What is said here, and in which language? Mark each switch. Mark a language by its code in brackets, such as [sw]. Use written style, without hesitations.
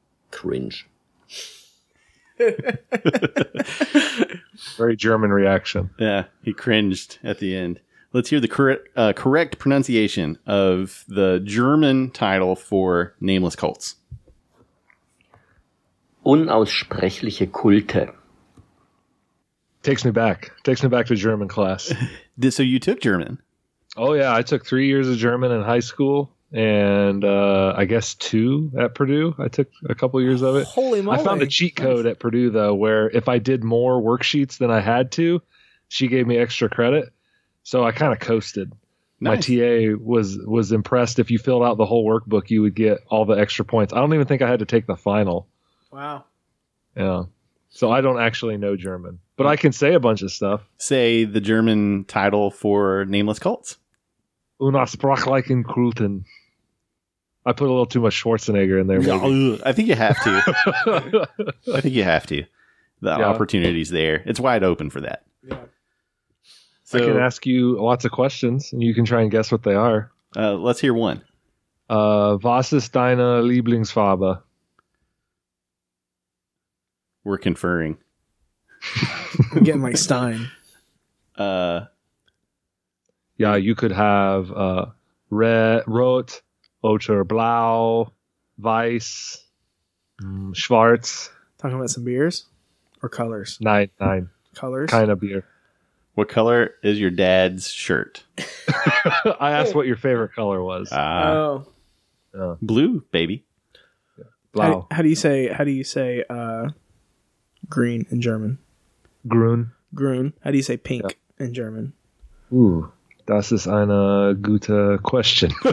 [en] Cringe. Very German reaction. Yeah, he cringed at the end. Let's hear the correct pronunciation of the German title for Nameless Cults. [de] Unaussprechliche Kulte. [en] Takes me back to German class. So you took German? Oh, yeah. I took 3 years of German in high school and I guess two at Purdue. I took a couple years of it. Holy moly. I found a cheat code at Purdue, though, where if I did more worksheets than I had to, she gave me extra credit. So I kind of coasted. Nice. My TA was impressed. If you filled out the whole workbook, you would get all the extra points. I don't even think I had to take the final. Wow. Yeah. So I don't actually know German, but I can say a bunch of stuff. Say the German title for Nameless Cults. [de] Unaussprechlichen Kulten. [en] I put a little too much Schwarzenegger in there. Maybe. I think you have to. I think you have to. The opportunity's there. It's wide open for that. Yeah. So, I can ask you lots of questions, and you can try and guess what they are. Let's hear one. [de] Was ist deine Lieblingsfarbe? [en] We're conferring. I'm getting like Stein. Yeah, you could have [de] rot, oder blau, weiß, schwarz. [en] Talking about some beers or colors? Nine. Colors? Kind of beer. What color is your dad's shirt? I asked what your favorite color was. Blue, baby. [de] Blau. [en] How do you say green in German? [de] Grün. [en] How do you say pink in German? [de] Ooh, das ist eine gute [en] question.